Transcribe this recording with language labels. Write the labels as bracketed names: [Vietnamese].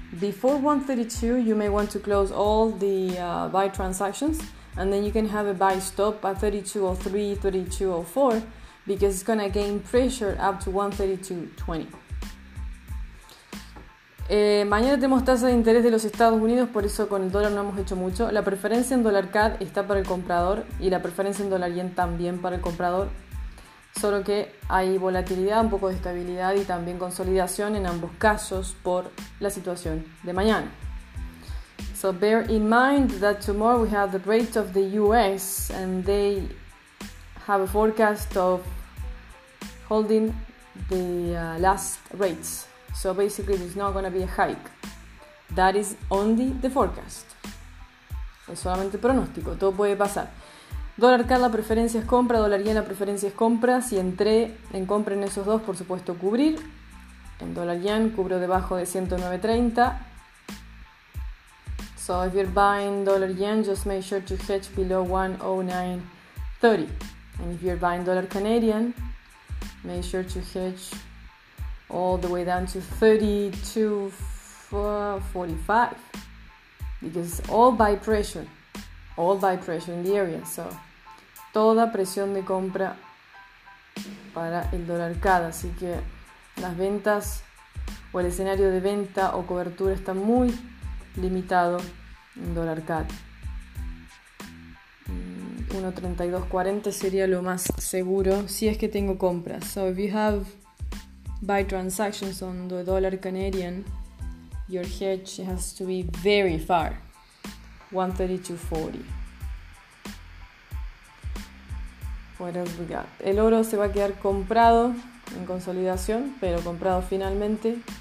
[English] Before 1.32, you may want to close all the buy transactions. And then you can have a buy stop at 32.03, 32.04. Because it's going to gain pressure up to 1.3220. [Spanish] Mañana tenemos tasa de interés de los Estados Unidos, por eso con el dólar no hemos hecho mucho. La preferencia en dólar CAD está para el comprador y la preferencia en dólar yen también para el comprador. Solo que hay volatilidad, un poco de estabilidad y también consolidación en ambos casos por la situación de mañana. [English] So bear in mind that tomorrow we have the rate of the US and they have a forecast of holding the last rates. So basically, there's not going to be a hike. That is only the forecast. [Spanish] Es solamente pronóstico. Todo puede pasar. Dólar CAD, la preferencia es compra. Dólar yen, la preferencia es compra. Si entré en compra en esos dos, por supuesto, cubrir. En dólar yen, cubro debajo de 109.30. [English] So if you're buying dólar yen, just make sure to hedge below 109.30. And if you're buying dólar Canadian, make sure to hedge all the way down to 32.45, because all by pressure in the area. [Spanish] So toda presión de compra para el dólar CAD, así que las ventas o el escenario de venta o cobertura está muy limitado en dólar CAD. 1.3240 sería lo más seguro si es que tengo compras. [English] So if you have buy transactions on the dollar Canadian, your hedge has to be very far, 130 to 140. What else we got? [Spanish] El oro se va a quedar comprado en consolidación, pero comprado finalmente.